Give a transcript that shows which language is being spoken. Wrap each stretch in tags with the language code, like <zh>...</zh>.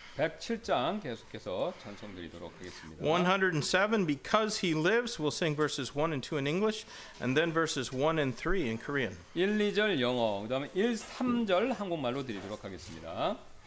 <ko>107장 계속해서 찬송 드리도록 하겠습니다.</ko> <en>107, Because He Lives, we'll sing verses 1 and 2 in English, and then verses 1 and 3 in Korean.</en> <ko>1, 2절 영어, 그 다음에 1, 3절 한국말로 드리도록 하겠습니다.</ko>